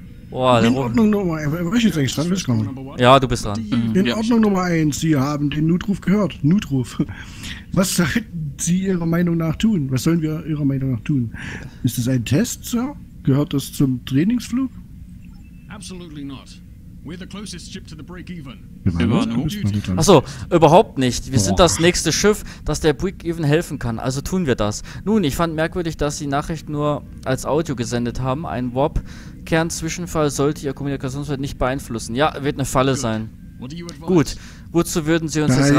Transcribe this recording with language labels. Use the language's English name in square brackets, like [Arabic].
[German] Boah, in Ordnung Nummer 1, ich bin jetzt eigentlich dran, willst du kommen? Ja, du bist dran. In Ordnung Nummer 1, Sie haben den Notruf gehört. Notruf. Was sollten Sie Ihrer Meinung nach tun? Was sollen wir Ihrer Meinung nach tun? Ist es ein Test, Sir? Gehört das zum Trainingsflug? [English] Absolutely not. We're the closest ship to the break-even. [German] Achso, überhaupt nicht. Wir sind das nächste Schiff, das der Break-Even helfen kann. Also tun wir das. Nun, ich fand merkwürdig, dass Sie Nachricht nur als Audio gesendet haben. Ein Warp-Kern-Zwischenfall sollte Ihr Kommunikationsfeld nicht beeinflussen. Ja, wird eine Falle sein. Gut, wozu würden Sie uns das raten?